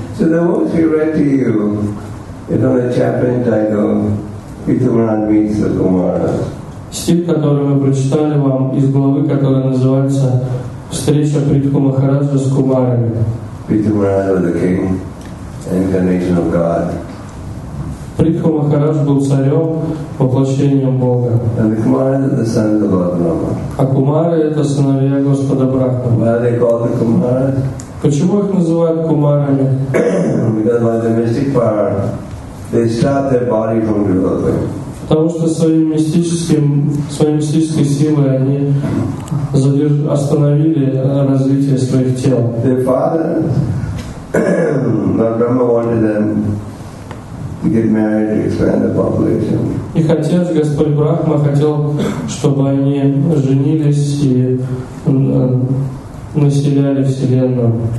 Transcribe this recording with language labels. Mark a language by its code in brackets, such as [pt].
[en] So they won't be right to you. It's on a chapter entitled Pitamaran Vinsa Kumara. [ru] Стих, который мы прочитали вам из главы, которая называется «Встреча Притху Махараджа с Кумарами». [en] Pitamaran was the king, incarnation of God. [ru] Притху Махарадж был царем, воплощением Бога. [en] And the Kumaras are the sons of Lord Brahma. [ru] А Кумары — это сыновья Господа Брахма. [en] Why are they called the Kumaras? [ru] Почему их называют Кумарами? [en] Because by the mystic power, they stop their body from developing. [ru] Потому что своей мистической силой они остановили развитие своих тел. [en] Their fathers, Lord Brahma wanted them to get married to expand the population. [ru] Их отец, Господь Брахма, хотел, чтобы они женились и населяли вселенную.